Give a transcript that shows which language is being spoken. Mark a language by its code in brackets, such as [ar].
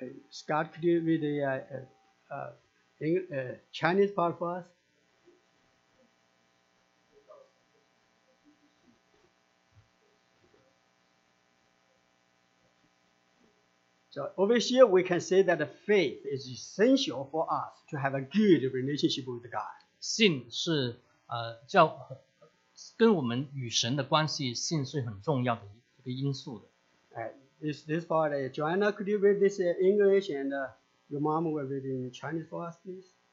[en] Scott, could you read the Chinese part for us? So over here, we can say that faith is essential for us to have a good relationship with God. [zh] 信是叫跟我们与神的关系，信是很重要的一个因素的。 [en] This part, Joanna, could you read this in English and your mom will read it in Chinese for us, please?